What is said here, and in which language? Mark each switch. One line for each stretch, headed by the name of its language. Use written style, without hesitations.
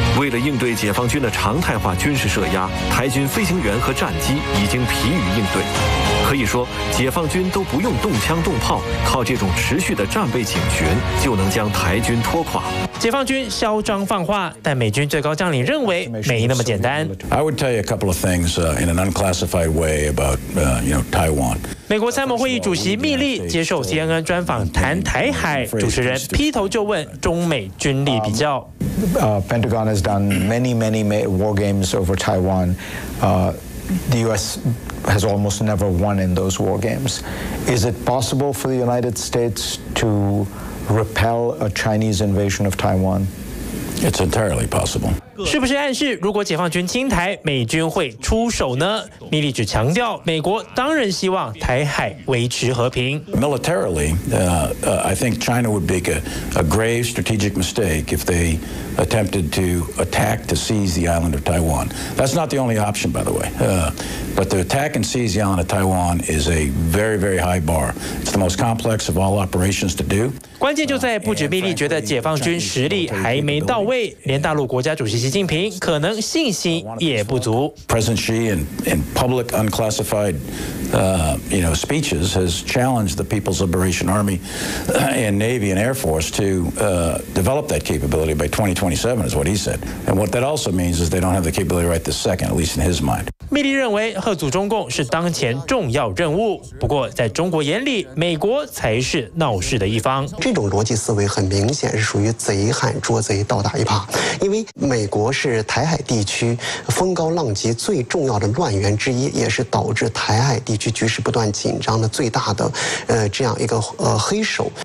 Chinese: 为了应对解放军的常态化军事射压，台军飞行员和战机已经疲于应对。可以说，解放军都不用动枪动炮，靠这种持续的战备警巡就能将台军拖垮。解放军嚣张放话，但美军最高将领认为没那么简单。
English: I would tell you a couple of things in an unclassified way about Taiwan.
Chinese: 美国参谋会议主席密利接受 CNN 专访谈台海，主持人劈头就问中美军力比较。
English: Pentagon has done many war games over Taiwan. The U.S. has almost never won in those war games. Is it possible for the United States to repel a Chinese invasion of Taiwan? It's entirely possible.
Chinese: 是不是暗示如果解放军侵台，美军会出手呢？密利只强调，美国当然希望台海维持和平。
English: Militarily, I think China would make a grave strategic mistake if they attempted to attack to seize the island of Taiwan. That's not the only option, by the way. But to attack and seize the island of Taiwan is a very, very high bar. It's the most complex of all operations to do.
Chinese: 关键就在不止密利觉得解放军实力还没到位，连大陆国家主席习近平可能信心也不足。
English: President Xi in public unclassified speeches has challenged the People's Liberation Army and Navy and Air Force to develop that capability by 2027 is what he said. And what that also means is they don't have the capability right this second, at least in his mind.
Chinese: 密利认为吓阻中共是当前重要任务，不过在中国眼里，美国才是闹事的一方。这种逻辑思维很明显是属于贼喊捉贼倒打一耙，因为美国是台海地区风高浪急最重要的乱源之一，也是导致台海地区局势不断紧张的最大的这样一个黑手。